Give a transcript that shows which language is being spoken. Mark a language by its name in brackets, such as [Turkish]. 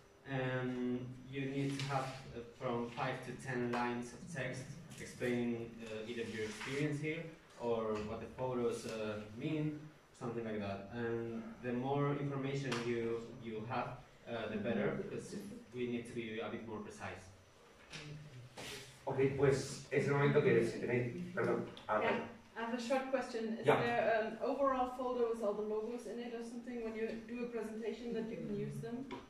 [English] And you need to have from 5 to 10 lines of text explaining either your experience here or what the photos mean, something like that. And the more information you have, the better, because we need to be a bit more precise. [Spanish] Ok, pues es el momento que si tenéis. Perdón. [English] Yeah, I have a short question. Is yeah. there an overall folder with all the logos in it or something when you do a presentation that you can use them?